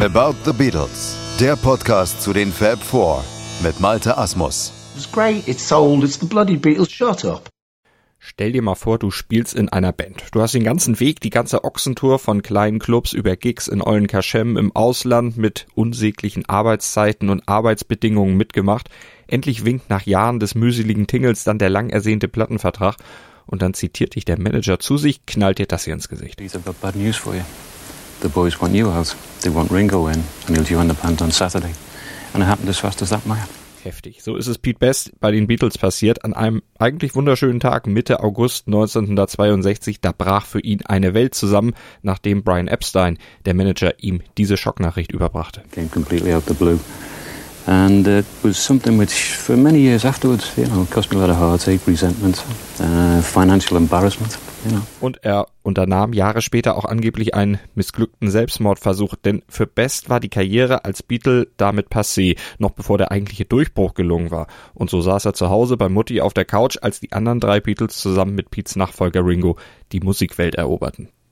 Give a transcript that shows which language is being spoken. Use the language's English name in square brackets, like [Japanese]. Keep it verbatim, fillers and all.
[German] About the Beatles, der Podcast zu den Fab Four mit Malte Asmus. [English] It's great, it's sold, it's the bloody Beatles, shut up. [German] Stell dir mal vor, du spielst in einer Band. Du hast den ganzen Weg, die ganze Ochsentour von kleinen Clubs über Gigs in Eulen-Kaschem im Ausland mit unsäglichen Arbeitszeiten und Arbeitsbedingungen mitgemacht. Endlich winkt nach Jahren des mühseligen Tingels dann der lang ersehnte Plattenvertrag. Und dann zitiert dich der Manager zu sich, knallt dir das hier ins Gesicht. [English] These have got bad news for you. The boys want you out. They want Ringo in. And he'll join the band on Saturday. And it happened as fast as that might. [German] Heftig. So ist es Pete Best bei den Beatles passiert. An einem eigentlich wunderschönen Tag Mitte August neunzehnhundertzweiundsechzig, da brach für ihn eine Welt zusammen, nachdem Brian Epstein, der Manager, ihm diese Schocknachricht überbrachte. [English] Came completely out the blue. And it was something which, for many years afterwards, you know, cost me a lot of heartache, resentment, uh, financial embarrassment, you know. [German] Und er unternahm Jahre später auch angeblich einen missglückten Selbstmordversuch, denn für Best war die Karriere als Beatle damit passé, noch bevor der eigentliche Durchbruch gelungen war. Und so saß er zu Hause bei Mutti auf der Couch, als die anderen drei Beatles zusammen mit Petes Nachfolger Ringo die Musikwelt eroberten.